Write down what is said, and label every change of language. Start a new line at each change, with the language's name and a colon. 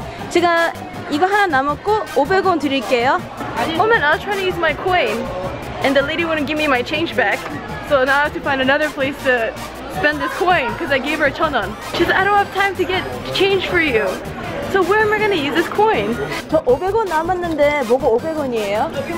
Korean: 제가 이거 하나 남았고 500원 드릴게요.
English: Oh man, I was trying to use my coin and the lady wouldn't give me my change back. So now I have to find another place to spend this coin because I gave her 1,000 won. She said, I don't have time to get change for you. So where am I going to use this coin?
Korean: 저 500원 남았는데 뭐가 500원이에요?